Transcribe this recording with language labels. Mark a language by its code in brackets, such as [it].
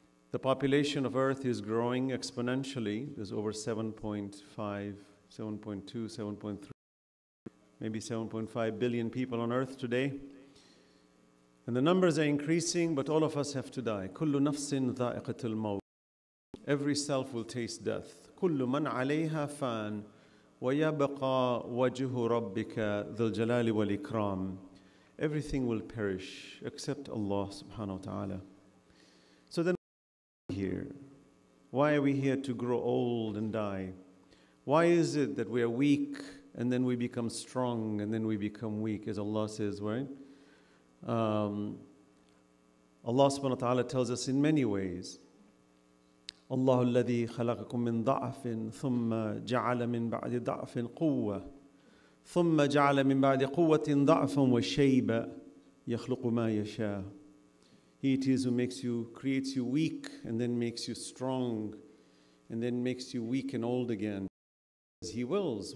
[en] The population of earth is growing exponentially. There's over 7.5 billion people on earth today. And the numbers are increasing, but all of us have to die. [ar] كُلُّ نَفْسٍ ذَائِقَةُ الْمَوْتِ [en] Every self will taste death. [ar] كُلُّ مَنْ عَلَيْهَا فَانْ وَيَبَقَى وَجُهُ رَبِّكَ ذُو الْجَلَالِ وَالْإِكْرَامِ [en] Everything will perish except Allah subhanahu wa ta'ala. So then why are we here? Why are we here to grow old and die? Why is it that we are weak and then we become strong and then we become weak, as Allah says, right? Allah subhanahu wa ta'ala tells us in many ways. Allah [ar] الذي خلقكم من ضعف ثم جعل من بعد ضعف قوة ثم جعل من بعد قوة ضعف وشيبة يخلق ما يشاء [en] He it is who makes you, creates you weak and then makes you strong and then makes you weak and old again. As He wills.